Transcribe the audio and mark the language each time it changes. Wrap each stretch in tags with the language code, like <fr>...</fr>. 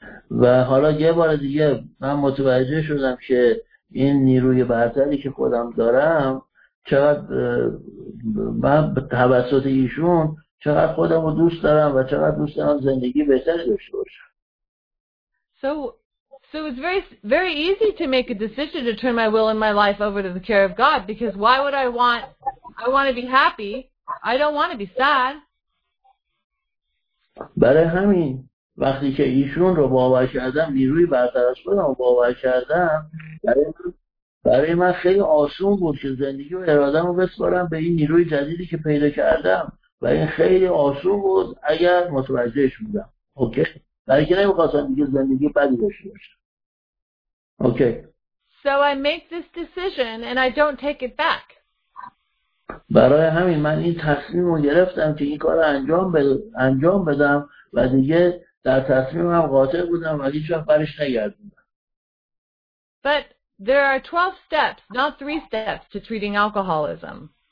<fa>و حالا یه بار دیگه من متوجه شدم که این نیروی برتری که خودم دارم چقدر من توسط ایشون چقدر خودم رو دوست دارم و چقدر دوست دارم زندگی بهتری داشته باشم.</fa> <en>So it's very, very easy to make a decision to turn my will and my life over to the care of God, because why would I want, I want to be happy, I don't want to be sad.</en> <fa>برای همین وقتی که ایشون رو باور کردم، نیروی برتر از خودم رو باور کردم، برای من خیلی آسون بود که زندگی و اراده رو بسپارم به این نیروی جدیدی که پیدا کردم، و این خیلی آسون بود اگر متوجهش بودم. اوکی؟ برای که نمیخواستم دیگه زندگی بدی داشته باشم.</fa> <en>Okay. So I make this decision and I don't take it back.</en> <fa>برای همین من این تصمیم رو گرفتم که این کار رو انجام بدم و دیگه در تصمیمم قاطع بودم و هیچ وقت برش نگردم.</fa> <en>But there are 12 steps, not 3 steps to treating alcoholism.</en>